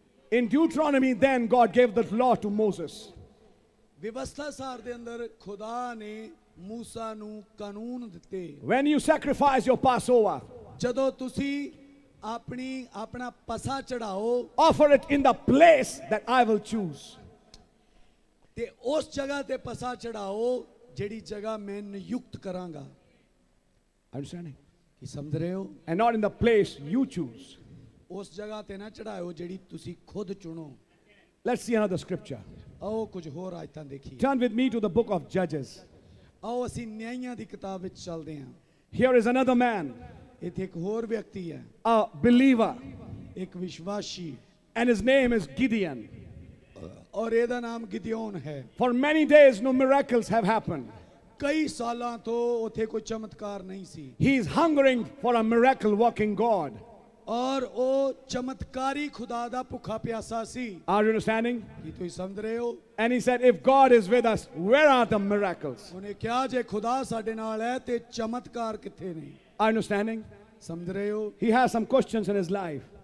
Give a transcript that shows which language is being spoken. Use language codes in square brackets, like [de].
[en] In Deuteronomy, then God gave the law to Moses. When you sacrifice your Passover, offer it in the place that I will choose. [pa] ते उस जगह ते पसा चढ़ाओ JD जगह मैं नियुक्त करांगा. [en] understanding [pa] की समझ रहे हो? [en] And not in the place you choose. [pa] उस जगह ते ना चढ़ायो जेडी तुसी खुद चुनो. [en] Let's see another scripture. [pa] आओ कुछ होर आयतां देखिए. [en] Turn with me to the book of जजेस. [pa] आओ असी न्यायियां दी किताब विच चलदे हां. [en] Here is another man. [pa] इत्थे एक होर व्यक्ति है. [en] A believer. [pa] एक विश्वासी. [en] And his name is Gideon. [pa] और एदा नाम गिदियोन है. [en] For many days no miracles have happened. [pa] कई सालां तो उथे कोई चमत्कार नहीं सी. [en] He is hungering for a miracle working God. [pa] और ओ चमत्कारी खुदा दा भुखा प्यासा सी. [en] Are you understanding? [pa] की तुई समझ रहे हो? [en] And he said, if God is with us, where are the miracles? [pa] उने क्या जे खुदा साडे नाल है ते चमत्कार किथे ने? [en] Are you understanding? [pa] समझ रहे हो? [en] He has some questions in his life.